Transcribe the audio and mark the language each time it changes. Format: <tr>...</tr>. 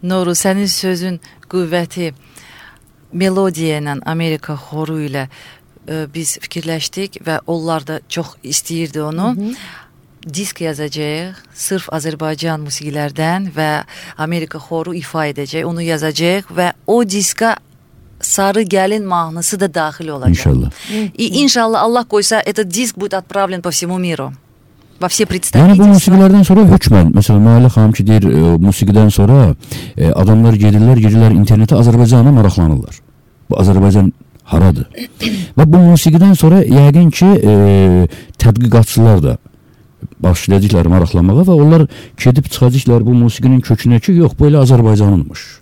<az>Nuru, sənin sözün qüvvəti melodiya ilə, Amerika xoru ilə biz fikirləşdik və onlar da çox istəyirdi onu. Disk yazacaq, sırf Azərbaycan musiqilərdən və Amerika xoru ifa edəcək, onu yazacaq və o diska Sarı gəlin mahnısı da daxil olacaq. İnşallah. İnşallah Allah qoysa,</az> <ru>этот диск будет отправлен по всему миру. Во все представительства.</ru> <az>Yəni bu musiqilərdən sonra hökmən, məsələn, Nailə xanım ki deyir, musiqidən sonra adamlar gedirlər internetə Azərbaycanı maraqlanırlar. Bu Azərbaycan haradır? Və bu musiqidən sonra yəqin ki, tədqiqatçılar da başlayacaqlar maraqlanmağa və onlar gedib çıxacaqlar bu musiqinin kökünə ki, yox, bu elə Azərbaycanınmış.</az>